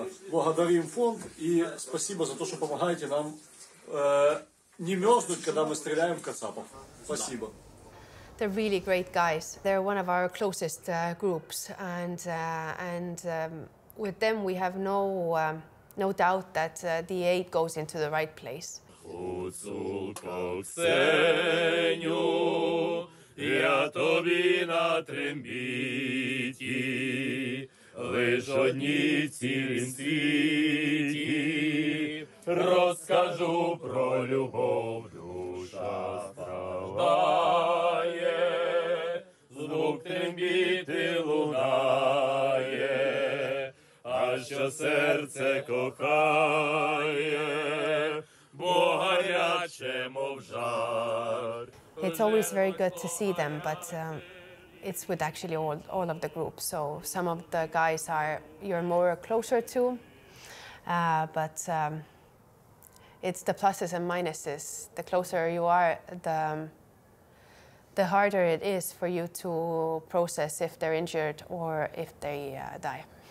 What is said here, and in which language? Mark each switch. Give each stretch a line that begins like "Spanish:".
Russian: Благодарим фонд и спасибо за то, что помогаете нам не мерзнуть, когда мы стреляем в кацапов. Спасибо.
English: They're really great guys. They're one of our closest groups, and with them we have no doubt that the aid goes into the right place.
Ukrainian: Я тобі на трембіті, лиш одні цілім світі, розкажу про любов, душа страждає, звук трембіти лунає, а що серце кохає, бо гаряче, мов жар.
English: It's always very good to see them, but it's with actually all of the group. So some of the guys are you're more closer to, but it's the pluses and minuses. The closer you are, the harder it is for you to process if they're injured or if they die.